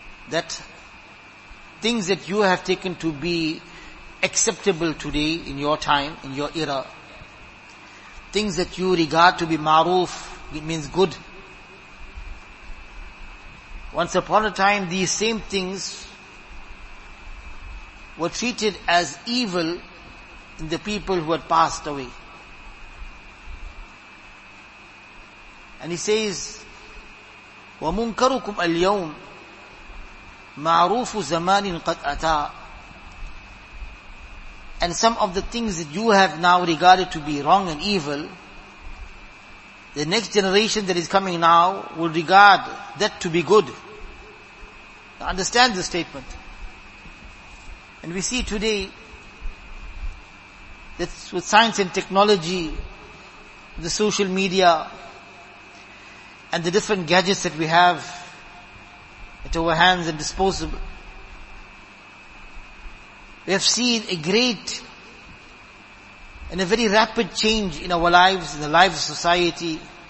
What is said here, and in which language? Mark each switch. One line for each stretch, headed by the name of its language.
English: That things that you have taken to be acceptable today in your time, in your era, things that you regard to be ma'ruf, it means good. Once upon a time, these same things were treated as evil in the people who had passed away. And he says,
Arabic: وَمُنْكَرُكُمْ الْيَوْمِ مَعْرُوفُ زَمَانٍ قَدْ أَتَىٰ.
English: And some of the things that you have now regarded to be wrong and evil, the next generation that is coming now will regard that to be good. Now understand this statement. And we see today that with science and technology, the social media, and the different gadgets that we have at our hands and disposable, we have seen a great and a very rapid change in our lives, in the lives of society.